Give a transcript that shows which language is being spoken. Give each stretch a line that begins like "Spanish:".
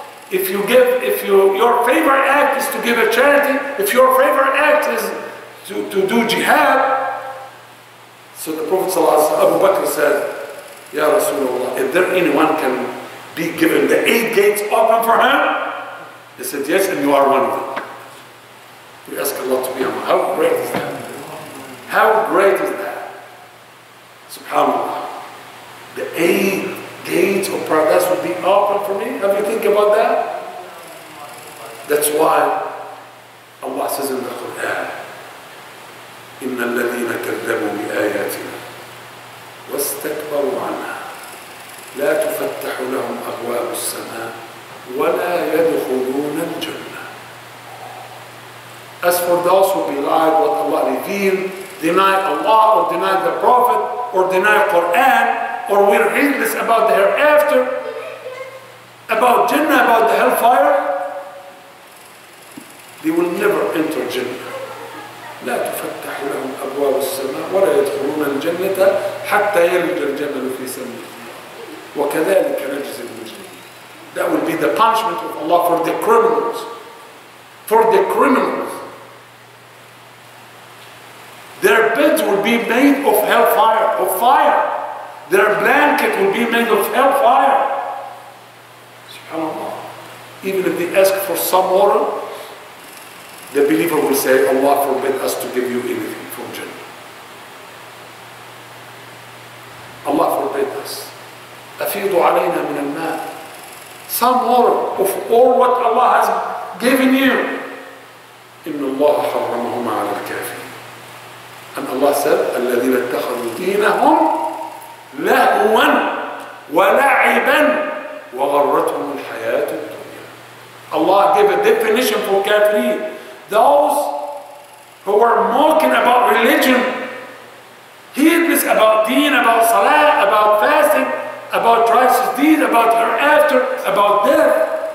English: If you give, your favorite act is to give a charity, if your favorite act is to do jihad, so the Prophet ﷺ, Abu Bakr said, Ya Rasulullah, if there anyone can be given the 8 gates open for him, he said, yes, and you are one of them. We ask Allah to be among us. How great is that? How great is that? SubhanAllah. The 8 gates of paradise will be open for me. Have you think about that? That's why Allah says in the Quran,
Arabic: إِنَّ الَّذِينَ كَذَّبُوا بِآيَاتِنَا وَاسْتَكْبَرُوا عَنْهَا لَا تُفَتَّحُ لَهُمْ أَبْوَابُ السَّمَاءِ وَلَا يَدْخُلُونَ الْجَنَّةِ.
English: As for those who belied what Allah revealed, deny Allah or deny the Prophet or deny Quran, or we're heedless about the hereafter, about Jannah, about the hellfire, they will never enter Jannah.
Arabic: لا تفتح لهم أبواب السماء ولا يدخلون الجنة حتى يلج الجمل في سبيل الله وكذلك نجزي المجرمين.
English: That will be the punishment of Allah for the criminals. For the criminals. Their beds will be made of hellfire, of fire. Their blanket will be made of hellfire. SubhanAllah. Even if they ask for some water, The believer will say, Allah forbid us to give you anything from Jannah. Allah forbid us.
Arabic: أَفِيضُ عَلَيْنَا مِنَ الْمَاءِ.
English: Some water of all what Allah has given you.
Arabic: إِنَّ اللَّهَ حَرَّمَهُمَا عَلَى الْكَافِرِينَ.
English: And Allah said,
Arabic: الَّذِينَ اتَّخَذُوا دِينَهُمْ لَهُوًا وَلَعِبًا وَغَرَّتْهُمُ الْحَيَاةُ الدُّنْيَا.
English: Allah gave a definition for kafirin. Those who were mocking about religion, heedless about deen, about salah, about fasting, about righteous deeds, about hereafter, about death.